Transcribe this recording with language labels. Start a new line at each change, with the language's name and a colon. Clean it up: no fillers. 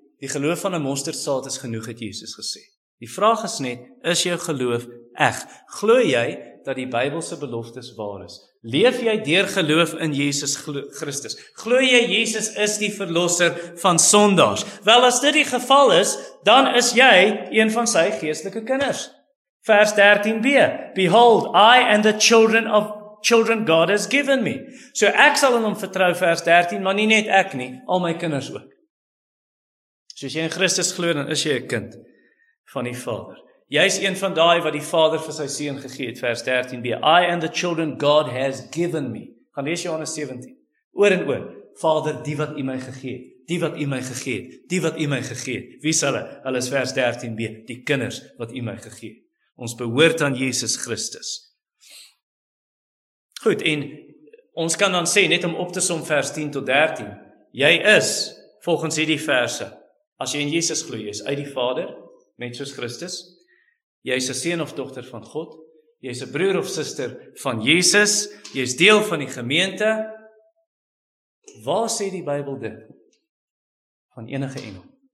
Afrikaans: Die geloof van 'n mosterdsaad is genoeg, het Jesus gesê. Die vraag is net, is jou geloof eg? Glo jy dat die Bybelse beloftes waar is? Leef jy deur geloof in Jesus Christus? Glo jy Jesus is die verlosser van sondaars? Wel, as dit die geval is, dan is jy een van sy geestelike kinders.
English: Vers 13b, behold, I and the children God has given me.
Afrikaans: So ek sal in hom vertrou, vers 13, maar nie net ek nie, al my kinders ook. So as jy in Christus glo, dan is jy 'n kind van die Vader. Jy is een van daai wat die Vader vir sy seun gegee het, vers 13b,
English: I and the children God has given me.
Afrikaans: Gaan lees Johannes 17, oor en oor, Vader, die wat u my gegee het. Wie is hulle? Hulle is vers 13b, die kinders wat u my gegee het. Ons behoort aan Jesus Christus. Goed, en ons kan dan sê, net om op te som vers 10 tot 13, jy is, volgens hierdie verse, as jy in Jesus glo, jy is uit die Vader, net soos Christus, jy is 'n seun of dogter van God, jy is 'n broer of suster van Jesus, jy is deel van die gemeente, waar sê die Bybel dit? Van enige engel.